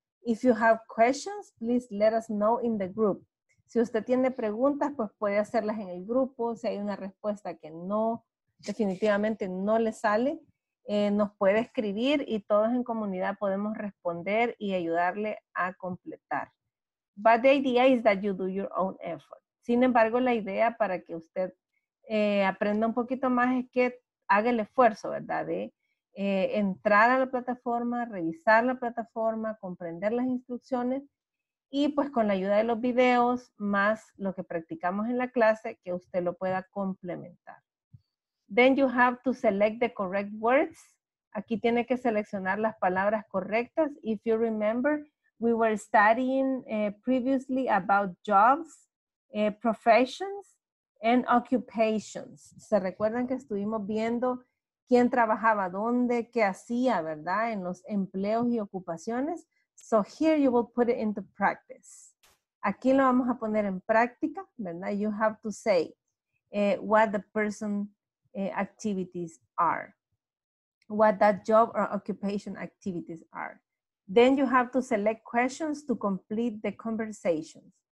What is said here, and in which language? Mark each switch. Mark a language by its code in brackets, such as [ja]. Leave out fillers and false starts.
[en] If you have questions, please let us know in the group. [es] Si usted tiene preguntas, pues puede hacerlas en el grupo. Si hay una respuesta que no, definitivamente no le sale, nos puede escribir y todos en comunidad podemos responder y ayudarle a completar. [en] But the idea is that you do your own effort. [es] Sin embargo, la idea para que usted aprenda un poquito más es que haga el esfuerzo, ¿verdad? De entrar a la plataforma, revisar la plataforma, comprender las instrucciones y pues con la ayuda de los videos más lo que practicamos en la clase que usted lo pueda complementar. [en] Then you have to select the correct words. [es] Aquí tiene que seleccionar las palabras correctas. [en] If you remember, we were studying previously about jobs, professions, and occupations. [es] ¿Se recuerdan que estuvimos viendo quién trabajaba dónde, qué hacía, verdad, en los empleos y ocupaciones? [en] So here you will put it into practice. [es] Aquí lo vamos a poner en práctica, ¿verdad? [en] You have to say what the person activities are. What that job or occupation activities are. Then you have to select questions to complete the conversations.